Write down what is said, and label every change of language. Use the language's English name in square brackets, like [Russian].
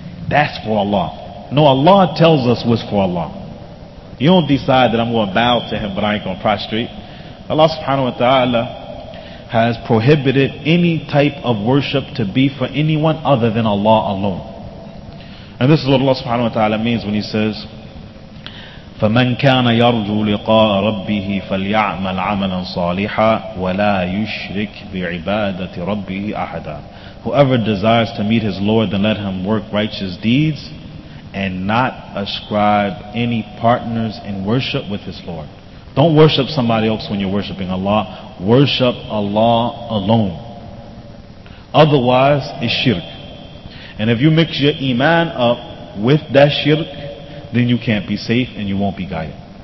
[English] That's for Allah. No, Allah tells us what's for Allah. You don't decide that I'm going to bow to him, but I ain't going to prostrate. Allah subhanahu wa ta'ala has prohibited any type of worship to be for anyone other than Allah alone. And this is what Allah subhanahu wa ta'ala means when he says, [Arabic] فَمَنْ كَانَ يَرْجُوا لِقَاءَ رَبِّهِ فَلْيَعْمَلْ عَمَلًا صَالِحًا وَلَا يُشْرِكْ بِعِبَادَةِ رَبِّهِ أَحَدًا. [English] Whoever desires to meet his Lord, then let him work righteous deeds and not ascribe any partners in worship with his Lord. Don't worship somebody else when you're worshiping Allah. Worship Allah alone. Otherwise, it's shirk. And if you mix your iman up with that shirk, then you can't be safe and you won't be guided.